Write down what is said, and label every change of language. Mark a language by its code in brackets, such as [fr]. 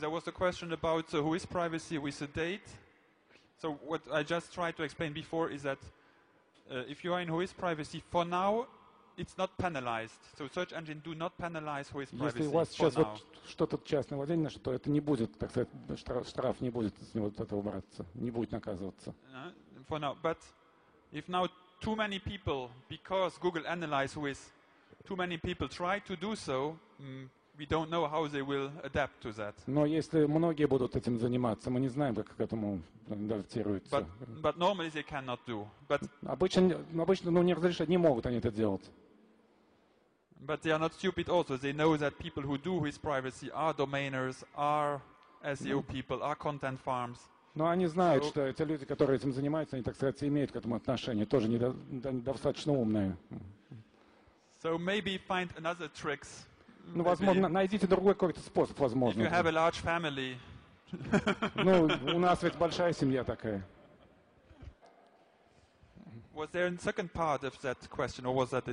[en] There was a question about Whois privacy with the date. So what I just tried to explain before is that if you are in Whois privacy, for now, it's not penalized. So search engine do not penalize Whois privacy. [ru] Если у вас сейчас вот что-то частное владение, что это не будет, так сказать, штраф не будет с него от этого браться, не будет наказываться. [en] For now, but if now too many people, because Google analyze Whois, too many people try to do so, we don't know how they will adapt to that. [ru] Но если многие будут этим заниматься, мы не знаем, как к этому адаптируются. [en] But normally they cannot do. But [ru] обычно, ну, не разрешают, не могут они это делать. [en] But they are not stupid also. They know that people who do Whois privacy are domainers, are SEO people, are content farms. [ru] Но они знают, что эти люди, которые этим занимаются, они, так сказать, имеют к этому отношение, тоже недостаточно умные. [en] So maybe find another tricks. [ru] Ну, возможно, найдите другой какой-то способ, возможно. [en] If you have a large family. [ru] Ну, у нас ведь большая семья такая. [en] Was there a second part of that question, or was that the?